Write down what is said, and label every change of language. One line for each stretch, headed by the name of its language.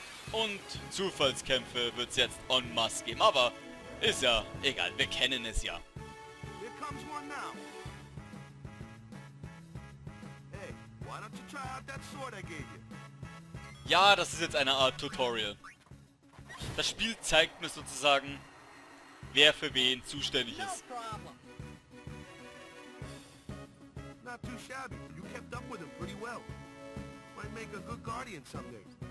German: Und Zufallskämpfe wird es jetzt en masse geben, aber ist ja egal, wir kennen es ja.
English: Here comes one now. Hey, why don't you try out that sword I gave you?
German: Ja, das ist jetzt eine Art Tutorial. Das Spiel zeigt mir sozusagen, wer für wen zuständig ist.
English: Not too shabby. You kept up with him pretty well. Might make a good guardian someday.